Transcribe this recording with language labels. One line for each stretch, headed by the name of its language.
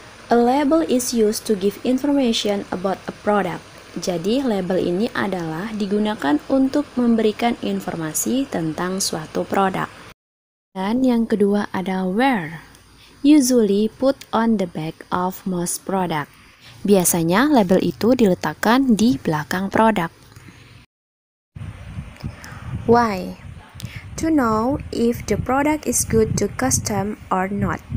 English: A label is used to give information about a product.
Indonesian: Jadi label ini adalah digunakan untuk memberikan informasi tentang suatu produk. Dan yang kedua ada
English: where. Usually put on the back of most product.
Indonesian: Biasanya label itu diletakkan di belakang produk.
English: Why? To know if the product is good to custom or not.